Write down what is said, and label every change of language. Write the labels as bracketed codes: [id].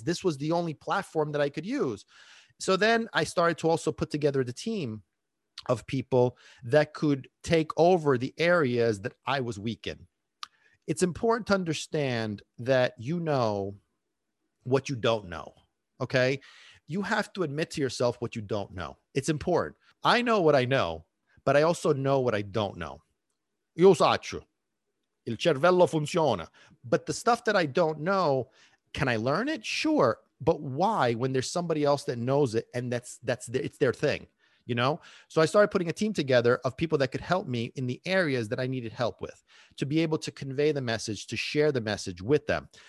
[en] This was the only platform that I could use. So then I started to also put together the team of people that could take over the areas that I was weak in. It's important to understand that you know what you don't know, okay? You have to admit to yourself what you don't know. It's important. I know what I know, but I also know what I don't know. [it] Io saccio, il cervello funziona. [en] But the stuff that I don't know, can I learn it? Sure, but why when there's somebody else that knows it and it's their thing? You know, so I started putting a team together of people that could help me in the areas that I needed help with to be able to convey the message, to share the message with them.